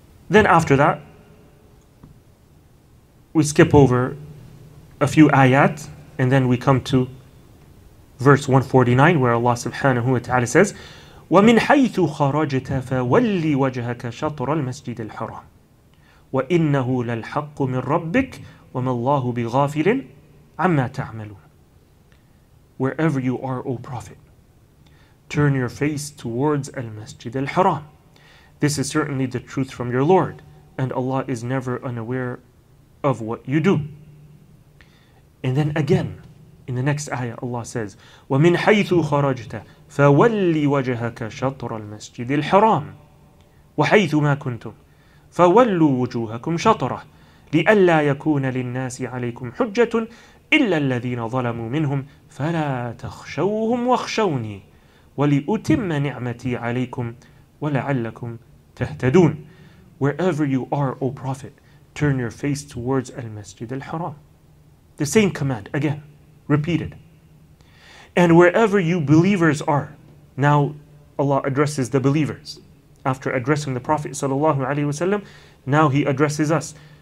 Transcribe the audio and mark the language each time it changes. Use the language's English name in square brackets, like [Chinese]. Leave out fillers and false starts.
[English] Then after that, we skip over a few ayat, and then we come to verse 149, where Allah subhanahu wa ta'ala says, [Arabic] وَمِنْ حَيْثُ خَرَجْتَ فَوَلِّي وَجْهَكَ شَطْرَ الْمَسْجِدِ الْحَرَامِ وَإِنَّهُ لَلْحَقُّ مِنْ رَبِّكَ وَمَا اللَّهُ بِغَافِلٍ عَمَّا تَعْمَلُونَ. [English] wherever you are, O Prophet. Turn your face towards Al-Masjid Al-Haram. This is certainly the truth from your Lord, and Allah is never unaware of what you do. And then again, in the next ayah, Allah says, [Arabic] وَمِنْ حَيْثُ خَرَجْتَ فَوَلِّ وَجَهَكَ شَطْرَ الْمَسْجِدِ الْحَرَامِ وَحَيْثُ مَا كُنْتُمْ فَوَلُّوا وُجُوهَكُمْ شَطْرَهُ لِأَلَّا يَكُونَ لِلنَّاسِ عَلَيْكُمْ حُجَّةٌ إِلَّا الَّذِينَ ظَلَمُوا مِنْهُمْ فَلَا تَخْشَوْهُمْ وَاخْشَوْنِي وَلِأُتِمَّ نِعْمَتِي عَلَيْكُمْ وَلَعَلَّكُمْ تَهْتَدُونَ. [English] Wherever you are, O Prophet, turn your face towards Al-Masjid Al-Haram. The same command, again, repeated. And wherever you believers are, now Allah addresses the believers. After addressing the Prophet sallallahu alaihi wasallam, now he addresses us.